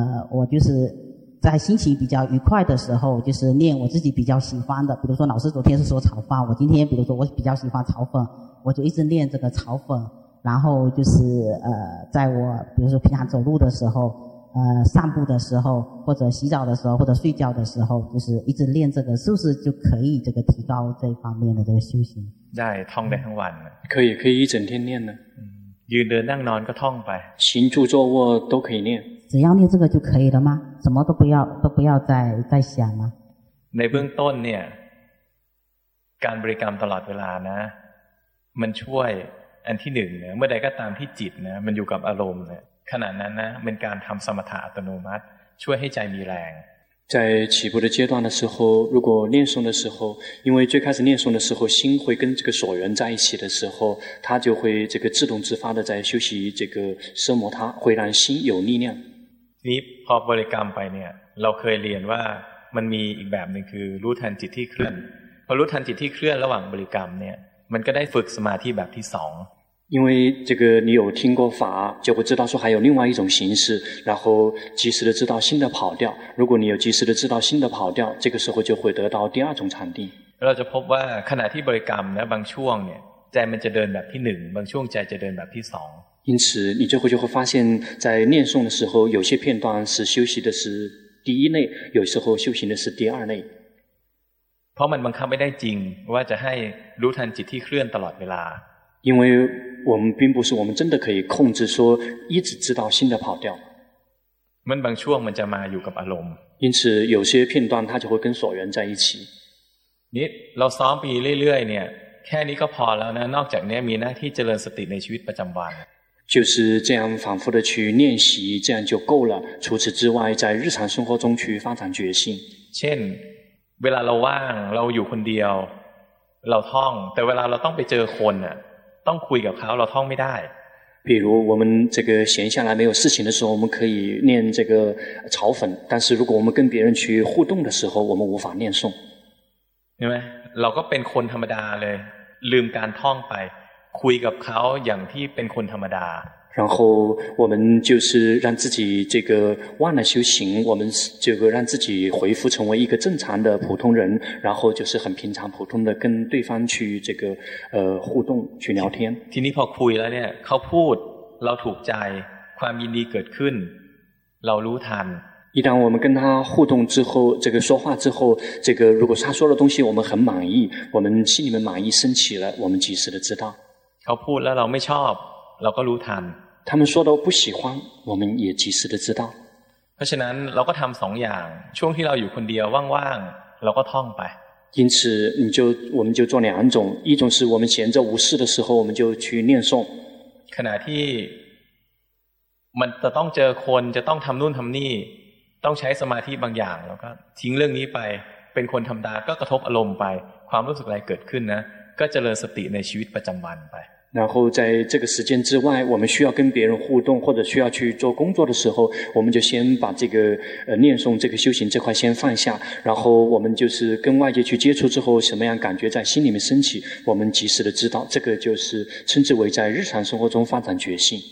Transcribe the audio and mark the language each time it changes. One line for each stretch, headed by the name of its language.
Chinese: 我就是在心情比较愉快的时候就是念我自己比较喜欢的比如说老师昨天是说炒饭我今天比如说我比较喜欢炒粉我就一直念这个炒粉然后就是在我比如说平常走路的时候散步的时候或者洗澡的时候或者睡觉的时候就是一直练这个是不是就可以这个提高这方面的这个修行在通得很晚可以一整天练呢有的让人痛呗行住坐卧都可以练只要练这个就可以了吗什么都不要再想吗
Thai: ในเบื้องต้นเนี่ยการบริกรรมตลอดเวลานะมันช่วยอันที่หนึ่งเนี่ยเมื่อใดก็ตามที่จิตนะมันอยู่กับอารมณ์เนี่ย ขณะนั้นนะเป็นการทำสมถะอัตโนมัติช่วยให้ใจมีแรง
Chinese: 在起步的阶段的时候，如果念诵的时候，因为最开始念诵的时候，心会跟这个所缘在一起的时候，它就会这个自动自发的在休息这个奢摩他，会让心有力量。
Thai: 你พอบริกรรมไปเนี่ย，เราเคยเรียนว่ามันมีอีกแบบนึงคือรู้ทันจิตที่เคลื่อน。 พอรู้ทันจิตที่เคลื่อนระหว่างบริกรรมเนี่ย，มันก็ได้ฝึกสมาธิแบบที่สอง。
Chinese: 因为这个你有听过法，就会知道说还有另外一种形式，然后及时的知道心的跑掉。如果你有及时的知道心的跑掉，这个时候就会得到第二种禅定。
Thai: เราจะพบว่าขณะที่บริกรรมนะบางช่วงเนี่ยใจมันจะเดินแบบที่หนึ่งบางช่วงใจจะเดินแบบที่สอง。
Chinese: 因此你最后就会发现，在念诵的时候，有些片段是休息的是第一类，有时候修行的是第二类。
Thai: เพราะมันบังคับไม่ได้จริงว่าจะให้รู้ทันจิตที่เคลื่อนตลอดเวลา。
Chinese: 因为我们并不是我们真的可以控制说一直知道心的跑掉。
Thai: มันบางช่วงมันจะมาอยู่กับอารมณ์。
Chinese: 因此有些片段它就会跟所缘在一起。
Thai: นี่เราซ้อมไปเรื่อยๆเนี่ยแค่นี้ก็พอแล้วนะนอกจากนี้มีหน้าที่เจริญสติในชีวิตประจำวัน。
Chinese: 就是这样反复的去练习，这样就够了。除此之外，在日常生活中去发展觉性。
Thai: เช่นเวลาเราว่างเราอยู่คนเดียวเราท่องแต่เวลาเราต้องไปเจอคนน่ะต้องคุยกับเขาเราท่องไม่ได้
Chinese: 比如我们这个闲下来没有事情的时候我们可以念这个炒粉但是如果我们跟别人去互动的时候我们无法念诵
Thai: เห็นไหมเราก็เป็นคนธรรมดาเลยลืมการท่องไปคุยกับเขาอย่างที่เป็นคนธรรมดา
Chinese: 然后我们就是让自己这个忘了修行我们这个让自己恢复成为一个正常的普通人然后就是很平常普通的跟对方去这个互动去聊天
Thai: ทีนี้พอคุยแล้วเนี่ยเขาพูดเราถูกใจความยินดีเกิดขึ้นเรารู้ทัน
Chinese: 一旦我们跟他互动之后这个说话之后这个如果他说的东西我们很满意我们心里面满意升起了我们及时的知道
Thai: เขาพูดแล้วเราไม่ชอบเราก็รู้ทัน
Chinese: 他们说的不喜欢我们也及时的知道
Thai: เพราะฉะนั้นเราก็ทำสองอย่างช่วงที่เราอยู่คนเดียวว่างๆเราก็ท่องไป
Chinese: 因此我们就做两种一种是我们闲着无事的时候我们就去念诵
Thai: ขณะที่มันจะต้องเจอคนจะต้องทำนู่นทำนี่ต้องใช้สมาธิบางอย่างแล้วก็ทิ้งเรื่องนี้ไปเป็นคนธรรมดาก็กระทบอารมณ์ไปความรู้สึกอะไรเกิดขึ้นนะก็เจริญสติในชีวิตประจำวันไป
Chinese: 然后在这个时间之外我们需要跟别人互动或者需要去做工作的时候我们就先把这个念诵这个修行这块先放下然后我们就是跟外界去接触之后什么样感觉在心里面升起我们及时的知道这个就是称之为在日常生活中发展觉性